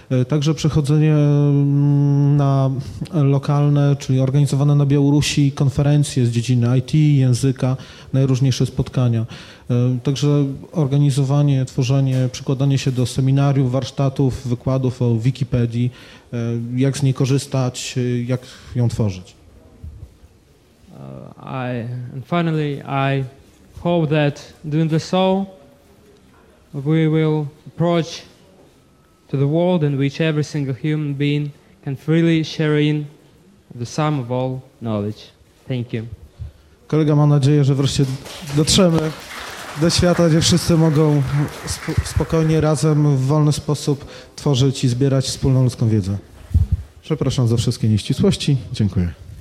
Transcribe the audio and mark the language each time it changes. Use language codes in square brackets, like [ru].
[pl] Także przechodzenie na lokalne, czyli organizowane na Białorusi konferencje z dziedziny IT, języka, najróżniejsze spotkania. Także organizowanie, tworzenie, przykładanie się do seminariów, warsztatów, wykładów o Wikipedii, jak z niej korzystać, jak ją tworzyć. [en] And finally, I hope that doing the show we will approach to the world in which every single human being can freely share in the sum of all knowledge. Thank you. [pl] Kolega, mam nadzieję, że wreszcie dotrzemy do świata, gdzie wszyscy mogą spokojnie razem w wolny sposób tworzyć i zbierać wspólną ludzką wiedzę. Przepraszam za wszystkie nieścisłości. Dziękuję.